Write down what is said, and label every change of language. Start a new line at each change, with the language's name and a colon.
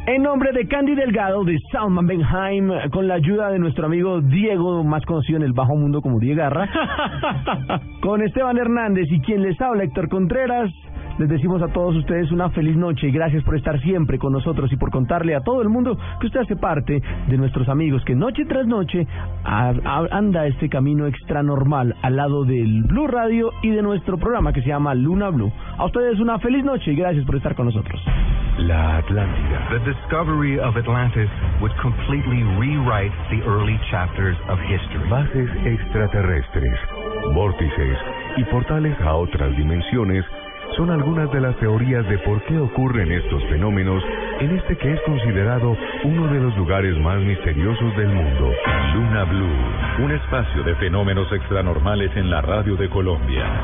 Spanish: En nombre de Candy Delgado, de Salman Benheim, con la ayuda de nuestro amigo Diego, más conocido en el bajo mundo como Diego Garra, con Esteban Hernández y quien les habla, Héctor Contreras, les decimos a todos ustedes una feliz noche y gracias por estar siempre con nosotros y por contarle a todo el mundo que usted hace parte de nuestros amigos, que noche tras noche anda este camino extranormal al lado del BLU Radio y de nuestro programa que se llama Luna BLU. A ustedes una feliz noche y gracias por estar con nosotros. La Atlántida.
English: The discovery of Atlantis would completely rewrite the early chapters of history.
Spanish: Bases extraterrestres, vórtices y portales a otras dimensiones son algunas de las teorías de por qué ocurren estos fenómenos en este que es considerado uno de los lugares más misteriosos del mundo. Luna BLU, un espacio de fenómenos extranormales en la radio de Colombia.